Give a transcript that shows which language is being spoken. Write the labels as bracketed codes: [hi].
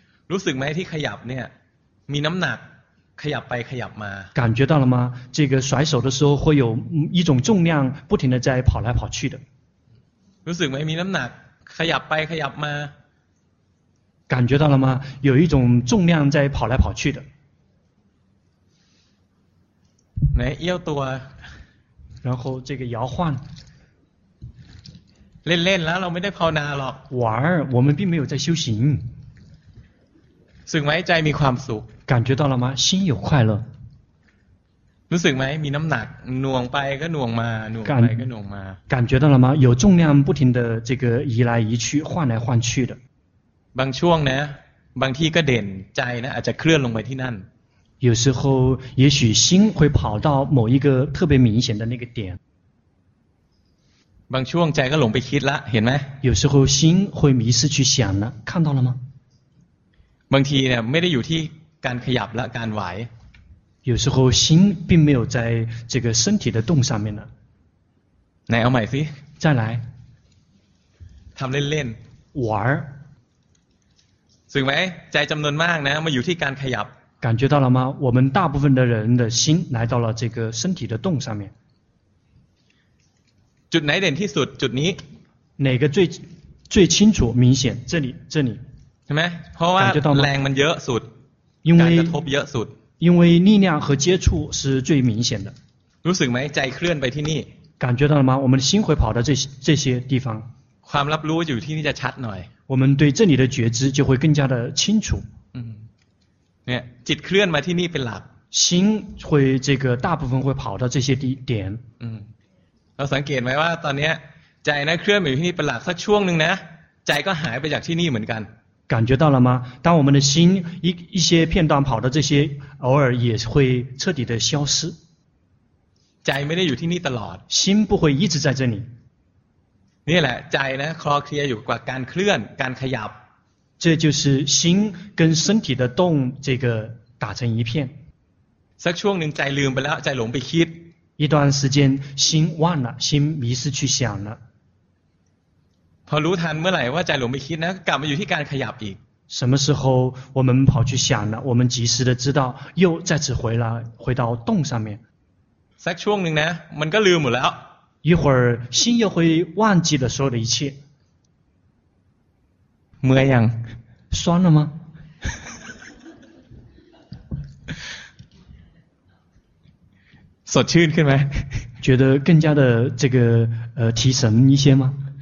[th] รู้สึกไหมที่ขยับเนี่ยมีน้ำหนักขยับไปขยับมา [zh] 感觉到了吗？这个甩手的时候会有一种重量不停的在跑来跑去的。 [th] รู้สึกไหมมีน้ำหนักขยับไปขยับมา [zh] 感觉到了吗？有一种重量在跑来跑去的。来 [th] เอี้ยวตัว [zh] 然后这个摇晃。 [th] เล่นเล่นแล้วเราไม่ได้ภาวนาหรอก [zh] 玩我们并没有在修行。 [th] รู้สึกไหมใจมีความสุข [zh] 感觉到了吗心有快乐 [th] รู้สึกไหมมีน้ำหนักหน่วงไปก็หน่วงมาหน่วงไปก็หน่วงมา [zh] 感觉到了吗有重量不停的这个移来移去换来换去的 [th] บางช่วงนะบางทีก็เด่นใจนะอาจจะเคลื่อนลงไปที่นั่น [zh] 有时候也许心会跑到某一个特别明显的那个点 [th] บางช่วงใจก็หลงไปคิดละเห็นไหม [zh] 有时候心会迷失去想了看到了吗 [th] บางทีเนี่ยไม่ได้อยู่ที่การขยับและการไหว [zh] 有时候心并没有在这个身体的动上面了来 [th] เอาใหม่สิ [zh] 再来 [th] ทำเล่น [zh] ๆ玩 [th] สึกไหมใจจำนวนมากนะมาอยู่ที่การขยับ [zh] 感觉到了吗我们大部分的人的心来到了这个身体的动上面 [th] จุดไหนเด่นที่สุดจุดนี้ [zh] 哪个最清楚明显这里 [th] ใช่ไหมเพราะว่าแรงมันเยอะสุดการกระทบเยอะสุด [zh] 因为力量和接触是最明显的 [th] รู้สึกไหมใจเคลื่อนไปที่นี่ [zh] 感觉到了吗我们心会跑到这些地方 [th] ความรับรู้อยู่ที่นี่จะชัดหน่อย [zh] 我们对这里的觉知就会更加的清楚 [th] เนี่ยจิตเคลื่อนมาที่นี่เป็นหลัก [zh] 心会这个大部分会跑到这些点 [th] เราสังเกตไหมว่าตอนนี้ใจนะเคลื่อนมาที่นี่เป็นหลักสักช่วงนึงนะใจก็หายไปจากที่นี่เหมือนกัน [zh] 感觉到了吗？当我们的心一些片段跑的这些，偶尔也会彻底的消失。 [th] ใจไม่ได้อยู่ที่นี่ตลอด。 [zh] 心不会一直在这里。 [th] นี่แหละใจนะคลอเคลียอยู่กับการเคลื่อนการขยับ。 [zh] 这就是心跟身体的动这个打成一片。 [th] สักช่วงหนึ่งใจลืมไปแล้วใจหลงไปคิด。 [zh] 一段时间心忘了，心迷失去想了。 [th] พอรู้ทันเมื่อไหร่ว่าใจหลงไปคิดนะกลับมาอยู่ที่การขยับอีก [zh] 什么时候我们跑去想了我们及时的知道又再次回到动上面 [th] สักช่วงหนึ่งนะมันก็ลืมหมดแล้ว [zh] 一会儿心又会忘记了所有的一切 [th] เมื่อยัง [zh] 酸了吗 [th] สดชื่นขึ้นไหม [zh] 觉得更加的这个提神一些吗